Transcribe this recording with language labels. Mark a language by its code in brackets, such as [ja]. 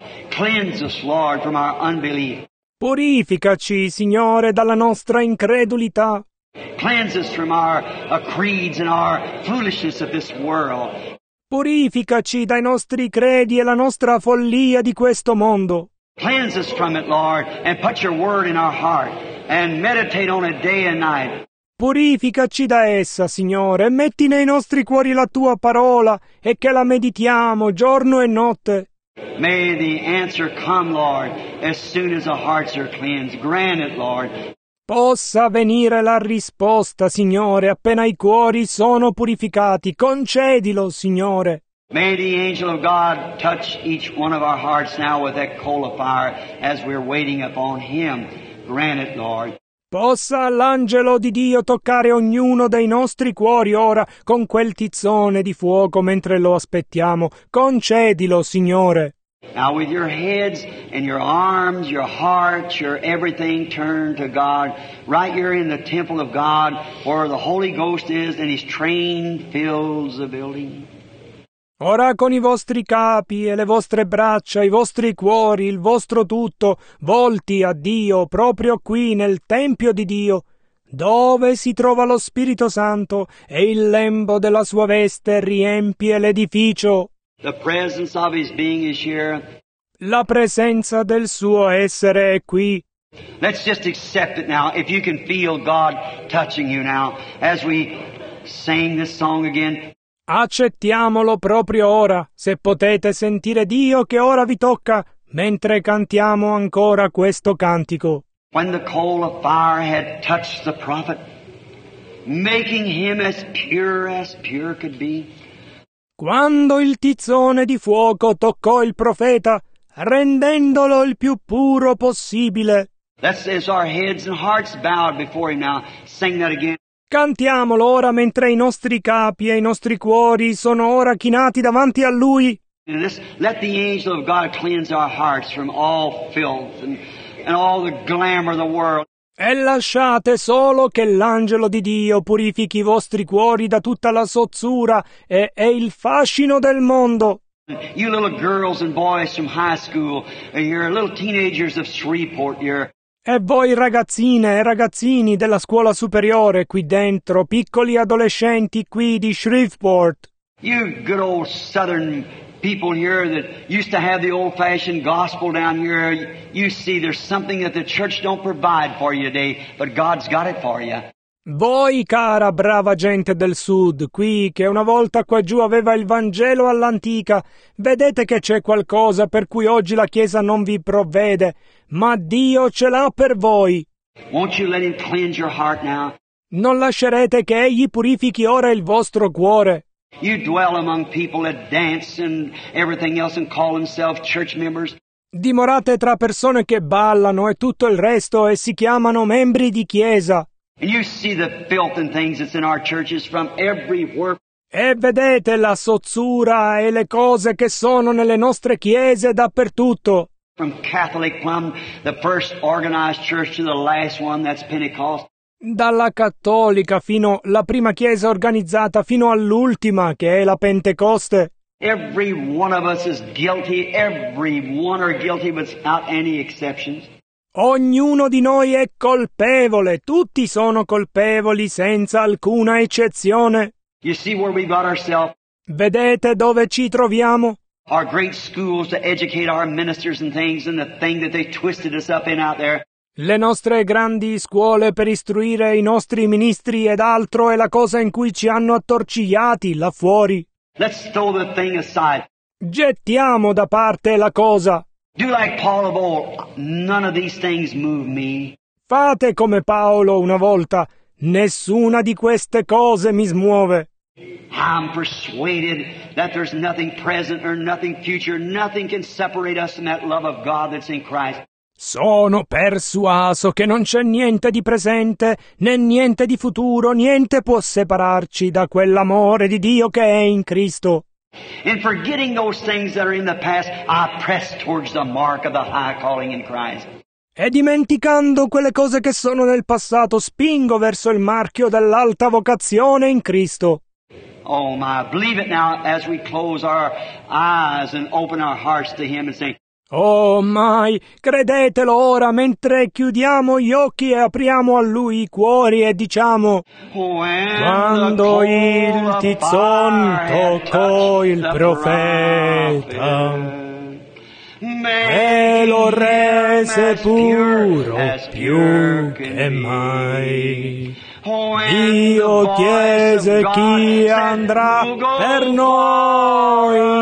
[en] Cleanse us, Lord, from our unbelief. [it] Purificaci, Signore, dalla nostra incredulità. [en] Cleanse us from our creeds and our foolishness of this world. [it] Purificaci dai nostri credi e la nostra follia di questo mondo. [en] Cleanse us from it, Lord, and put your word in our heart, and meditate on it day and night. [it] Purificaci da essa, Signore, e metti nei nostri cuori la Tua parola, e che la meditiamo giorno e notte. [en] May the answer come, Lord, as soon as our hearts are cleansed. Grant it, Lord. [it] Possa venire la risposta, Signore, appena i cuori sono purificati. Concedilo, Signore. [en] May the angel of God touch each one of our hearts now with that coal of fire as we're waiting upon him. Grant it, Lord. [it] Possa l'angelo di Dio toccare ognuno dei nostri cuori ora con quel tizzone di fuoco mentre lo aspettiamo. Concedilo, Signore. [en] Now with your heads and your arms, your hearts, your everything turned to God, right here in the temple of God where the Holy Ghost is and his train fills the building. [it] Ora con i vostri capi e le vostre braccia, i vostri cuori, il vostro tutto, volti a Dio proprio qui nel Tempio di Dio, dove si trova lo Spirito Santo e il lembo della sua veste riempie l'edificio. [en] The presence of his being is here. [it] La presenza del suo essere è qui. [en] Let's just accept it now, if you can feel God touching you now, as we sing this song again. [it] Accettiamolo proprio ora, se potete sentire Dio che ora vi tocca, mentre cantiamo ancora questo cantico. [en] When the coal of fire had touched the prophet, making him as pure could be. [it] Quando il tizzone di fuoco toccò il profeta, rendendolo il più puro possibile. [en] That's as our heads and hearts bowed before him now. Sing that again. [it] Cantiamolo ora mentre i nostri capi e i nostri cuori sono ora chinati davanti a Lui. [en] Let the angel of God cleanse our hearts from all filth and all the glamour of the world. [it] E lasciate solo che l'angelo di Dio purifichi i vostri cuori da tutta la sozzura e il fascino del mondo. [en] You little girls and boys from high school, you're little teenagers of Shreveport, you're... [it] E voi ragazzine e ragazzini della scuola superiore qui dentro, piccoli adolescenti qui di Shreveport. [en] You good old southern people here that used to have the old-fashioned gospel down here, you see there's something that the church don't provide for you today, but God's got it for you. [it] Voi, cara brava gente del sud, qui che una volta qua giù aveva il Vangelo all'antica, vedete che c'è qualcosa per cui oggi la Chiesa non vi provvede, ma Dio ce l'ha per voi. [en] Won't you let him cleanse your heart now? [it] Non lascerete che egli purifichi ora il vostro cuore. [en] You dwell among people that dance and everything else and call themselves church members. [it] Dimorate tra persone che ballano e tutto il resto e si chiamano membri di Chiesa. [en] And you see the filth and things that's in our churches from everywhere. [it] E vedete la sozzura e le cose che sono nelle nostre chiese dappertutto. [en] From Catholic, from the first organized church to the last one, that's Pentecost. [it] Dalla cattolica fino alla prima chiesa organizzata fino all'ultima che è la Pentecoste. [en] Every one of us is guilty. Every one are guilty without any exceptions. [it] Ognuno di noi è colpevole, tutti sono colpevoli senza alcuna eccezione. [en] You see where we got ourselves? [it] Vedete dove ci troviamo? [en] Our great schools to educate our ministers and things and the thing that they twisted us up in out there. [it] Le nostre grandi scuole per istruire i nostri ministri ed altro è la cosa in cui ci hanno attorcigliati là fuori. [en] Let's throw the thing aside. [it] Gettiamo da parte la cosa. [en] Do like Paul of old. None of these things move me. [it] Fate come Paolo una volta. Nessuna di queste cose mi smuove. [en] I'm persuaded that there's nothing present or nothing future. Nothing can separate us from that love of God that's in Christ. [it] Sono persuaso che non c'è niente di presente, né niente di futuro, niente può separarci da quell'amore di Dio che è in Cristo. [en] And forgetting those things that are in the past, I press towards the mark of the high calling in Christ. [it] E dimenticando quelle cose che sono nel passato, spingo verso il marchio dell'alta vocazione in Cristo. [en] Oh my, believe it now as we close our eyes and open our hearts to Him and say, [it] oh my, credetelo ora mentre chiudiamo gli occhi e apriamo a Lui i cuori e diciamo, quando il tizzon toccò il profeta e lo rese puro più che mai, Dio chiese chi andrà per noi.